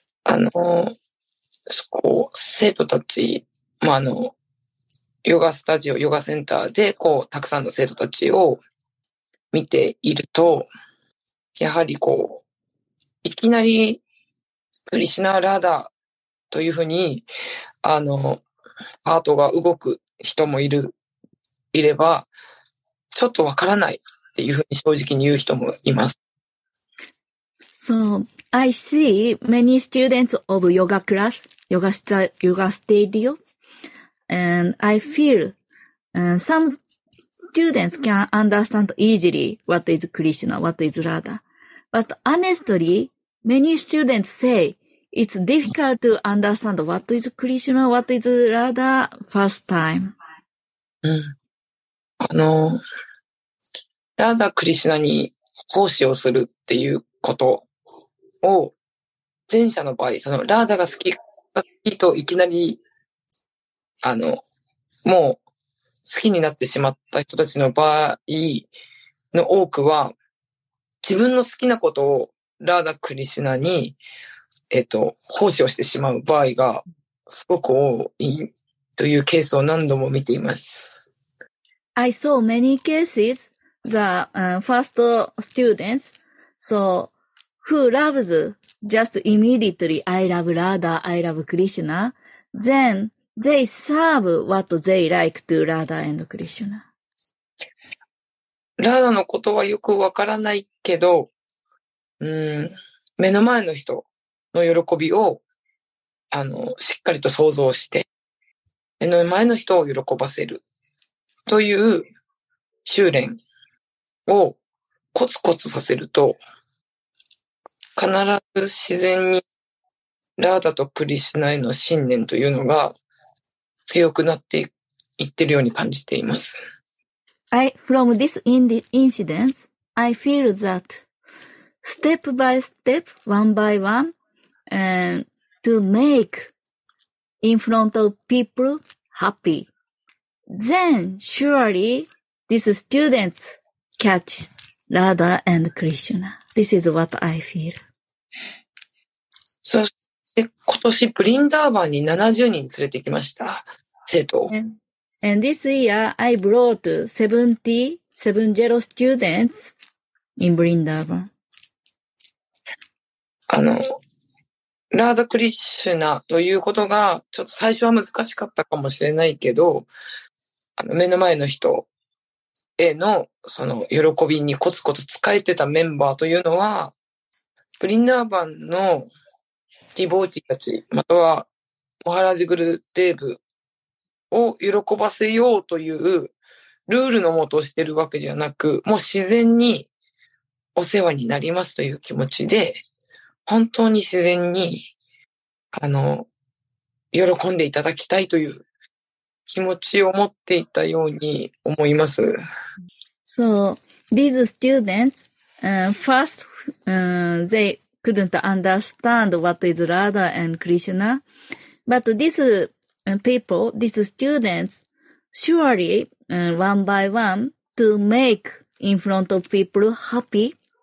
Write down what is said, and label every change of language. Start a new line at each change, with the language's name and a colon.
Japanese: あの、こう、生徒たち、まあ、あの、ヨガスタジオ、ヨガセンターで、こう、たくさんの生徒たちを見ていると、やはりこう、いきなり、クリシュナラーダーというふうに、あの、ハートが動く人もいれば、ちょっとわからないっていうふうに正直に言う人もいます。
English: So, I see many students of yoga class, yoga studio, and I feel, some students can understand easily what is Krishna, what is Radha. But honestly, many students say it's difficult to understand what is Krishna, what is Radha first time.
Japanese: Radha Krishna に奉仕をするっていうことを前者の場合、そのラーダが好きといきなりあのもう好きになってしまった人たちの場合の多くは、自分の好きなことをラーダ・クリシュナに奉仕をしてしまう場合がすごく多いというケースを何度も見ています。
English: I saw many cases the first students soWho loves just immediately, I love Radha, I love Krishna, then they serve what they like to Radha and Krishna.
Japanese: Radha のことはよくわからないけど、目の前の人の喜びをあのしっかりと想像して、目の前の人を喜ばせるという修練をコツコツさせると、必ず自然にラーダとクリシュナへの信念というのが強くなっていってるように感じています。
English: From this incident, I feel that step by step, one by one, to make in front of people happy. Then surely these students catch Radha and Krishna. This is what I feel.
Japanese: そして今年ブリンダーバンに70人連れてきました、生徒。
English: And this year I brought 70 students in ブリンダーバン。
Japanese: あのラーダ・クリシュナということがちょっと最初は難しかったかもしれないけど、あの目の前の人へのその喜びにコツコツ使えてたメンバーというのは、ブリンダーバンのディボーチたち、またはモハラジグルデーブを喜ばせようというルールのもとをしているわけじゃなく、もう自然にお世話になりますという気持ちで、本当に自然に、あの、喜んでいただきたいという気持ちを持っていたように思います。
English: So, these students,first,they couldn't understand what is Radha and Krishna. But these people, these students, surely, one by one, to make in front of people happy.